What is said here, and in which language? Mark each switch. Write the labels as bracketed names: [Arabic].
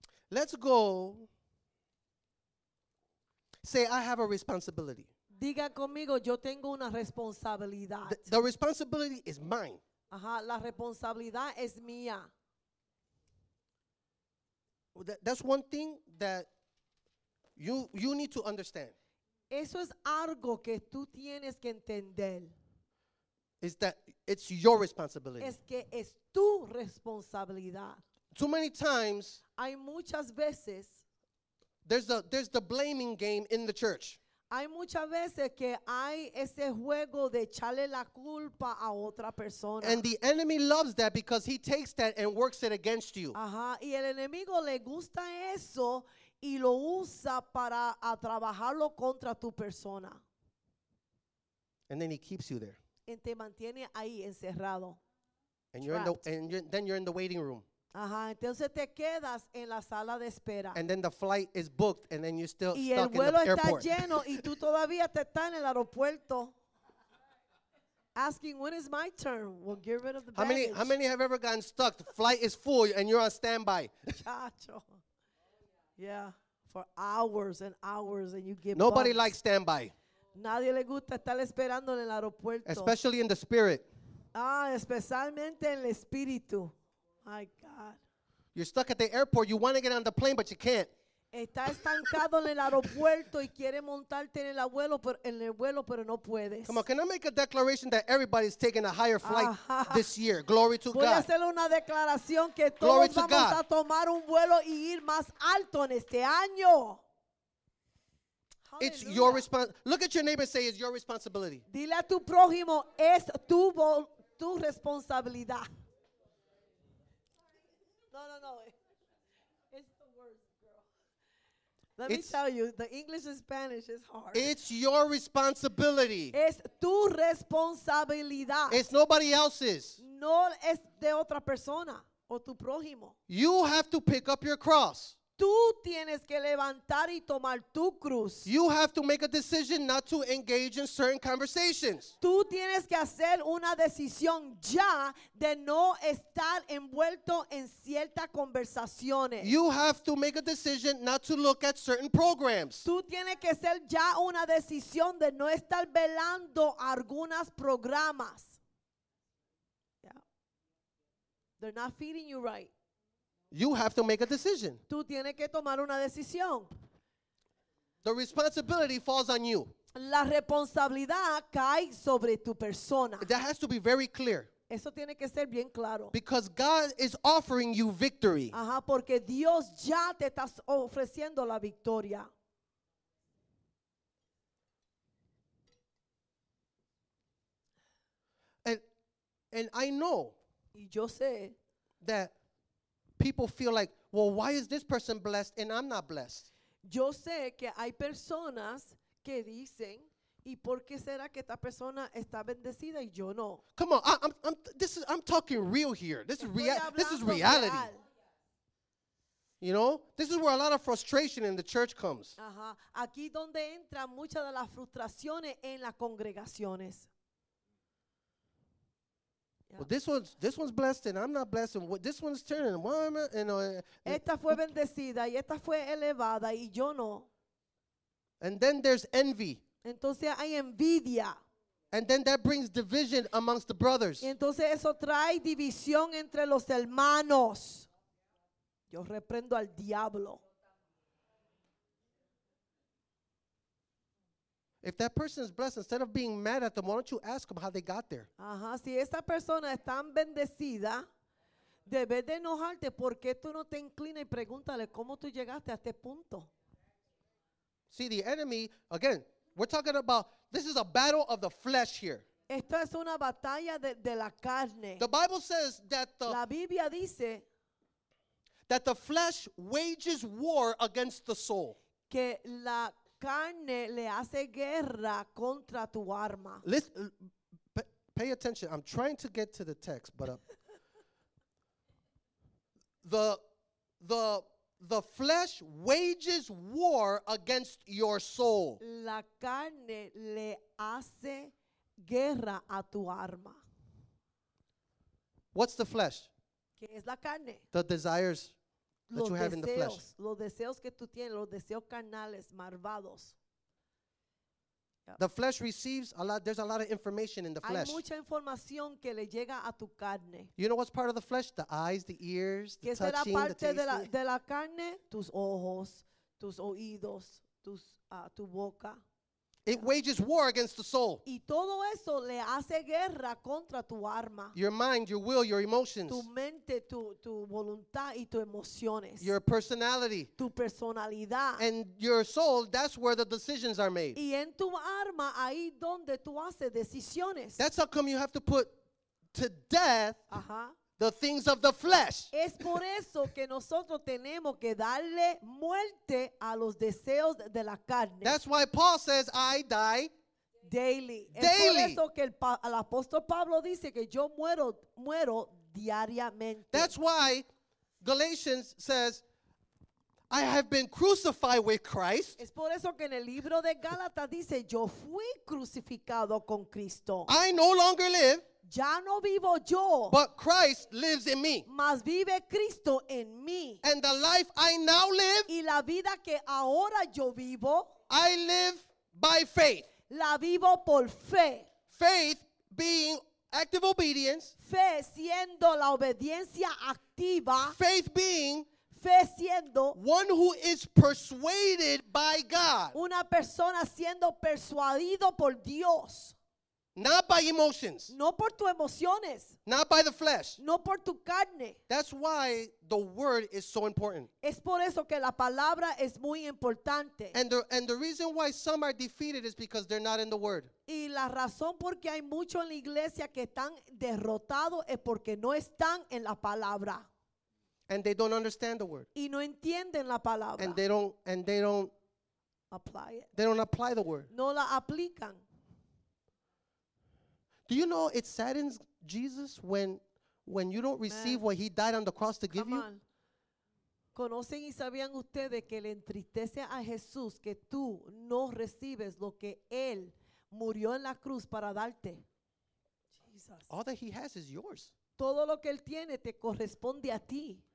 [English] Let's go. Say, I have a responsibility. [Spanish] Diga conmigo, yo tengo una responsabilidad. [English] The responsibility is mine. [Spanish] Ajá, la responsabilidad es mía. [English] That's one thing that you need to understand. [Spanish] Eso es algo que tú tienes que entender. [English] Is that it's your responsibility. [Spanish] Es que es tu responsabilidad. [English] Too many times, [Spanish] hay muchas veces, [English] there's the blaming game in the church. [Spanish] Hay muchas veces que hay ese juego de echarle la culpa a otra persona. [English] And the enemy loves that because he takes that and works it against you. [Spanish] Ajá, y el enemigo le gusta eso y lo usa para a trabajarlo contra tu persona. [English] And then he keeps you there. [Spanish] Y te mantiene ahí encerrado. [English] And you're trapped. Then you're in the waiting room. [Spanish] Ajá, entonces te quedas en la sala de espera. [English] And then the flight is booked and then you're still [Spanish] y [English] stuck in the airport. [Spanish] Y el vuelo está lleno y tú todavía te estás en el aeropuerto. [English] Asking, when is my turn? We'll get rid of the baggage. How many have ever gotten stuck? The flight is full and you're on standby. [Spanish] Chacho. [English] Yeah, for hours and hours and you give nobody bumps. Likes standby. [Spanish] Nadie le gusta estar esperando en el aeropuerto. [English] Especially in the spirit. [Spanish] Ah, especialmente en el espíritu. [English] My God. You're stuck at the airport. You want to get on the plane, but you can't. [Spanish] Está estancado en el aeropuerto y quiere montarte en el vuelo, pero no puedes. [English] Come on, can I make a declaration that everybody's taking a higher flight this year? Glory to God. [Spanish] Voy a hacer una declaración que todos vamos a tomar un vuelo y ir más alto en este año. [English] It's your responsibility. Look at your neighbor and say, it's your responsibility. [Spanish] Dile a tu prójimo, es tu responsabilidad. [English] No. It's the words, girl. Let me tell you, the English and Spanish is hard. It's your responsibility. [Spanish] Es tu responsabilidad. [English] It's nobody else's. [Spanish] No es de otra persona o tu prójimo. [English] You have to pick up your cross. [Spanish] Tú tienes que levantar y tomar tu cruz. [English] You have to make a decision not to engage in certain conversations. [Spanish] Tú tienes que hacer una decisión ya de no estar envuelto en ciertas conversaciones. [English] You have to make a decision not to look at certain programs. [Spanish] Tú tienes que hacer ya una decisión de no estar velando algunas programas. [English] Yeah. They're not feeding you right. You have to make a decision. [Spanish] Tú tienes que tomar una decisión. [English] The responsibility falls on you. [Spanish] La responsabilidad cae sobre tu persona. [English] That has to be very clear. [Spanish] Eso tiene que ser bien claro. [English] Because God is offering you victory. [Spanish] Ajá, porque Dios ya te está ofreciendo la victoria. [English] And I know. [Spanish] Y yo sé. [English] That. People feel like, well, why is this person blessed and I'm not blessed? [Spanish] Yo sé que hay personas que dicen, ¿y por qué será que esta persona está bendecida y yo no? [English] Come on, I'm talking real here. This is reality. Real. You know, this is where a lot of frustration in the church comes. [Spanish] Ajá, aquí donde entran muchas de las frustraciones en las congregaciones. [English] Well, this one's blessed and I'm not blessed. And this one's turning. Why am I? [Spanish] Esta fue bendecida y esta fue elevada y yo no. [English] And then there's envy. [Spanish] Entonces hay envidia. [English] And then that brings division amongst the brothers. [Spanish] Y entonces eso trae división entre los hermanos. Yo reprendo al diablo. [English] If that person is blessed, instead of being mad at them, why don't you ask them how they got there? [Spanish] Ajá, si esa persona es tan bendecida, debes de enojarte porque tú no te inclinas y pregúntale cómo tú llegaste a este punto. [English] See, the enemy, again, we're talking about, this is a battle of the flesh here. [Spanish] Esto es una batalla de la carne. [English] The Bible says that [Spanish] la Biblia dice [English] that the flesh wages war against the soul. [Spanish] Que la carne le hace guerra contra tu arma. [English] Listen, pay attention. I'm trying to get to the text, but the flesh wages war against your soul. [Spanish] La carne le hace guerra a tu arma. [English] What's the flesh? [Spanish] ¿Qué es la carne? [English] The desires that [Spanish] los [English] you have [Spanish] deseos, [English] in the flesh. [Spanish] Los deseos que tú tienes, los deseos carnales, malvados. [English] The flesh receives a lot. There's a lot of information in the flesh. [Spanish] Hay mucha información que le llega a tu carne. [English] You know what's part of the flesh? The eyes, the ears, the touching, the tasting. [Spanish] ¿Qué es la parte de la carne? Tus ojos, tus oídos, tus tu boca. [English] It wages war against the soul. [Spanish] Y todo eso le hace guerra contra tu arma. [English] Your mind, your will, your emotions. [Spanish] Tu mente, tu voluntad y tus emociones. [English] Your personality. [Spanish] Tu personalidad. [English] And your soul, that's where the decisions are made. [Spanish] Y en tu arma, ahí donde tú haces decisiones. [English] That's how come you have to put to death the things of the flesh. [Spanish] Es por eso que nosotros tenemos que darle muerte a los deseos de la carne. [English] That's why Paul says, I die daily. Daily. [Spanish] Es por eso que el apóstol Pablo dice que yo muero diariamente. [English] That's why Galatians says, I have been crucified with Christ. [Spanish] Es por eso que en el libro de Gálatas dice, yo fui crucificado con Cristo. [English] I no longer live. [Spanish] Ya no vivo yo. [English] But Christ lives in me. [Spanish] Mas vive Cristo en mí. [English] And the life I now live. [Spanish] Y la vida que ahora yo vivo. [English] I live by faith. [Spanish] La vivo por fe. [English] Faith being active obedience. [Spanish] Fe siendo la obediencia activa. [English] Faith being. [Spanish] Fe siendo. [English] One who is persuaded by God. [Spanish] Una persona siendo persuadido por Dios. [English] Not by emotions. [Spanish] No por tu emociones. [English] Not by the flesh. [Spanish] No por tu carne. [English] That's why the word is so important. [Spanish] Es por eso que la palabra es muy importante. [English] And the reason why some are defeated is because they're not in the word. [Spanish] Y la razón por qué hay mucho en la iglesia que están derrotados es porque no están en la palabra. [English] And they don't understand the word. [Spanish] Y no entienden la palabra. [English] And they don't apply it. They don't apply the word. [Spanish] No la aplican. [English] Do you know it saddens Jesus when you don't receive what he died on the cross to give you? [Spanish] ¿Conocen y sabían ustedes que le entristece a Jesús que tú no recibes lo que él murió en la cruz para darte? [English] Jesus. All that he has is yours. [Spanish] Todo lo que él tiene te corresponde a ti.